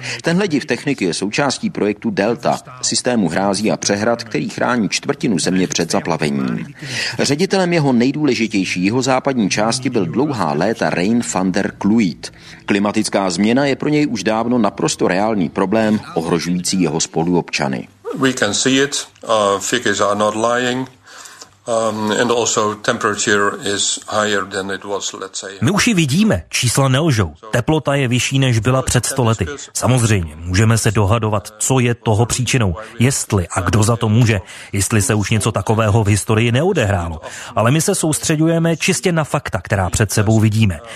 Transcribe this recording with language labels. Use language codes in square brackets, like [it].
[cs] Tenhle div techniky je součástí projektu Delta, systému hrází a přehrad, který chrání čtvrtinu země před zaplavením. Ředitelem jeho nejdůležitější jihozápadní části byl dlouhá léta Rein van der Kluit. Klimatická změna je pro něj už dávno naprosto reálný problém, ohrožující jeho spoluobčany. [en] We can see it. Figures are not lying. And also temperature is higher than it was, let's say. [cs] My už ji vidíme, čísla nelžou. Teplota je vyšší, než byla před 100 lety. Samozřejmě, můžeme se dohadovat, co je toho příčinou, jestli a kdo za to může, jestli se už něco takového v historii neodehrálo. Ale my se soustředujeme čistě na fakta, která před sebou vidíme.